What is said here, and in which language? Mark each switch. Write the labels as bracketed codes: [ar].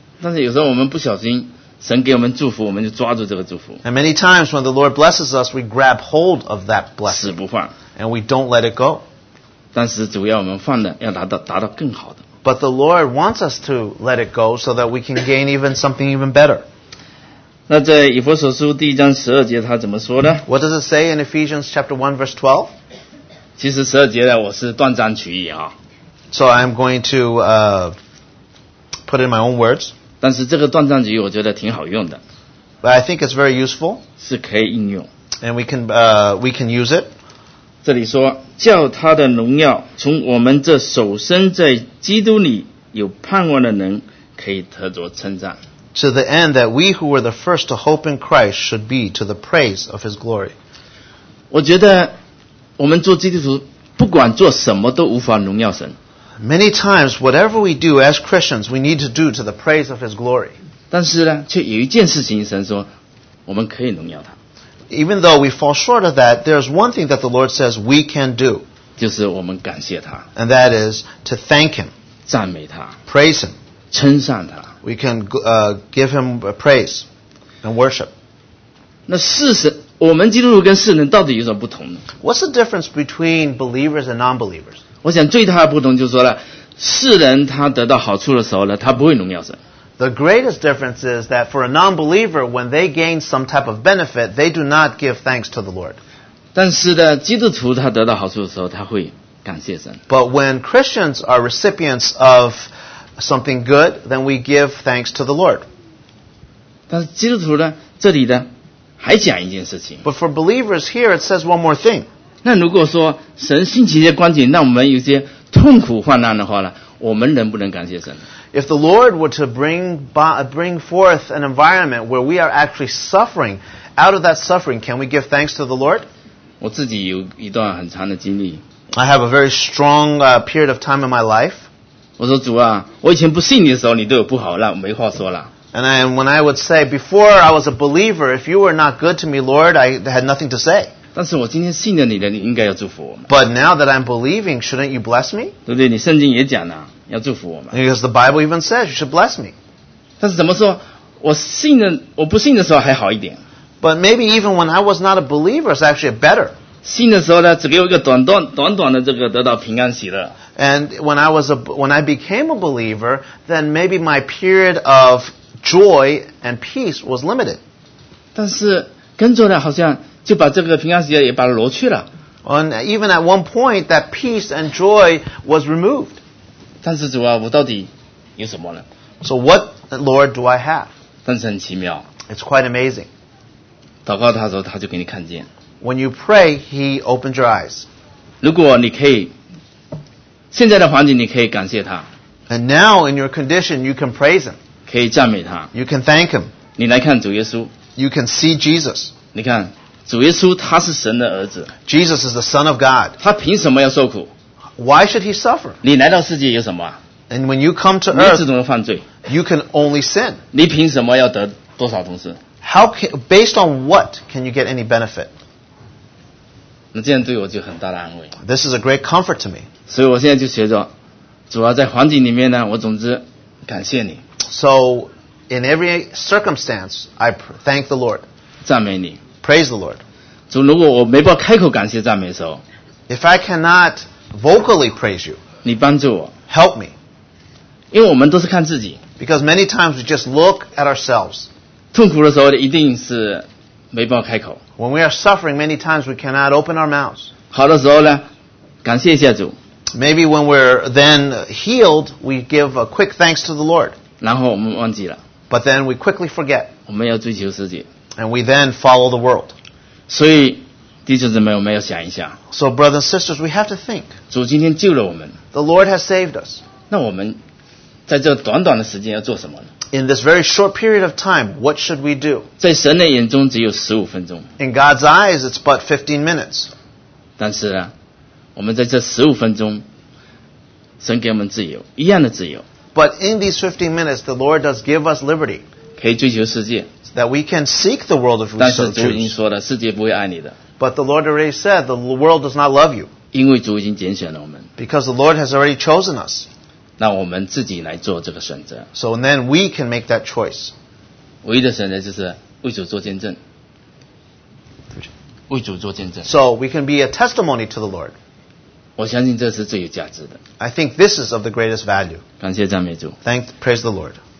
[zh] 但是有时候我们不小心，神给我们祝福，我们就抓住这个祝福。 [en] And many times when the Lord blesses us, we grab hold of that blessing. [zh] 死不放。 [en] And we don't let it go. [zh] 但是主要我们放的要达到更好的。 [en] But the Lord wants us to let it go so that we can gain even something even better. [zh] 那在以弗所书第一章十二节他怎么说呢 [en] What does it say in Ephesians chapter 1 verse 12? [zh] 其实十二节呢我是断章取义啊。 [en] So I'm going to put in my own words. [zh] 但是这个断章取义我觉得挺好用的。 [en] But I think it's very useful. [zh] 是可以应用。 [en] And we can use it. [zh] 这里说叫他的荣耀从我们这首生在基督里有盼望的人可以得着称赞。 [en] To the end that we who were the first to hope in Christ should be to the praise of His glory. [zh] 我觉得我们做基督徒不管做什么都无法荣耀神。 [en] Many times, whatever we do as Christians, we need to do to the praise of His glory. [zh] 但是呢，却有一件事情神说我们可以荣耀他。 [en] Even though we fall short of that, there's one thing that the Lord says we can do. [zh] 就是我们感谢他。 [en] And that is to thank Him. [zh] 赞美他。 [en] Praise Him. [zh] 称赞他。 [en] We can give him praise and worship. [zh] 那世人，我们基督徒跟世人到底有什么不同呢？ [en] What's the difference between believers and non-believers? [zh] 我想最大的不同就是说了，世人他得到好处的时候呢，他不会荣耀神。 [en] The greatest difference is that for a non-believer, when they gain some type of benefit, they do not give thanks to the Lord. [zh] 但是呢，基督徒他得到好处的时候，他会感谢神。 [en] But when Christians are recipients of something good, then we give thanks to the Lord. [zh] 但是基督徒呢，这里呢，还讲一件事情。 [en] But for believers here, it says one more thing. [zh] 那如果说神兴起一些光景，让我们有些痛苦患难的话呢，我们能不能感谢神？ [en] If the Lord were to bring forth an environment where we are actually suffering, out of that suffering, can we give thanks to the Lord? [zh] 我自己有一段很长的经历。 [en] I have a very strong period of time in my life. [zh] 我说主啊，我以前不信你的时候，你对我不好，那我没话说了。 [en] And when I would say, before I was a believer, if you were not good to me, Lord, I had nothing to say. [zh] 但是我今天信了你了，你应该要祝福我。 [en] But now that I'm believing, shouldn't you bless me? [zh] 对不对？你圣经也讲了。要祝福我们。 [en] Because the Bible even says you should bless me. [zh] 但是怎么说？我信的，我不信的时候还好一点。 [en] But maybe even when I was not a believer, it's actually better. [zh] 信的时候呢，只给我一个短短的这个得到平安喜乐。 [en] And when I became a believer, then maybe my period of joy and peace was limited. [zh] 但是跟着呢，好像就把这个平安喜乐也把它挪去了。 [en] And even at one point, that peace and joy was removed. [zh] 但是主啊，我到底有什么呢 [en] ？So what, Lord, do I have? [zh] 但是很奇妙。 [en] It's quite amazing. [zh] 祷告他的时候，他就给你看见。 [en] When you pray, he opens your eyes. [zh] 如果你可以，现在的环境你可以感谢他。 [en] And now in your condition, you can praise him. [zh] 可以赞美他。 [en] You can thank him. [zh] 你来看主耶稣。 [en] You can see Jesus. [zh] 你看主耶稣，他是神的儿子。 [en] Jesus is the Son of God. [zh] 他凭什么要受苦？ [en] Why should he suffer? [zh] 你来到世界有什么？ [en] And when you come to earth, [zh] 你只能犯罪。 [en] You can only sin. [zh] 你凭什么要得多少东西？ [en] How can, based on what can you get any benefit? [zh] 那这样对我就很大的安慰。 [en] This is a great comfort to me. [zh] 所以我现在就学着，主要在环境里面呢，我总之感谢你。 [en] So in every circumstance, I thank the Lord. [zh] 赞美你。 [en] Praise the Lord. [zh] 主，如果我没办法开口感谢赞美的时候， [en] If I cannot vocally praise you. [zh] 你帮助我。 [en] Help me. [zh] 因为我们都是看自己。 [en] Because many times we just look at ourselves. [zh] 痛苦的时候一定是没办法开口。 [en] When we are suffering, many times we cannot open our mouths. [zh] 好的时候呢，感谢一下主。 [en] Maybe when we're then healed, we give a quick thanks to the Lord. [zh] 然后我们忘记了。 [en] But then we quickly forget. [zh] 我们要追求世界。 [en] And we then follow the world. [zh] 所以弟兄姊妹，我们要想一下。 [en] So brothers and sisters, we have to think. [zh] 主今天救了我们。 [en] The Lord has saved us. [zh] 那我们在这短短的时间要做什么呢？ [en] In this very short period of time, what should we do? [zh] 在神的眼中只有15分钟。 [en] In God's eyes, it's but 15 minutes. [zh] 但是呢，我们在这15分钟，神给我们自由，一样的自由。 [en] But in these 15 minutes, the Lord does give us liberty. [zh] 可以追求世界。 [en] That we can seek the world if we so choose. [zh] 但是主已经说了，世界不会爱你的。 [en] But the Lord already said the world does not love you. [zh] 因为主已经拣选了我们。 [en] Because the Lord has already chosen us. [zh] 那我们自己来做这个选择。 [en] So then we can make that choice. [zh] 唯一的选择就是为主做见证。为主做见证。 [en] So we can be a testimony to the Lord. [zh] 我相信这是最有价值的。 [en] I think this is of the greatest value. [zh] 感谢赞美主。 [en] Praise the Lord.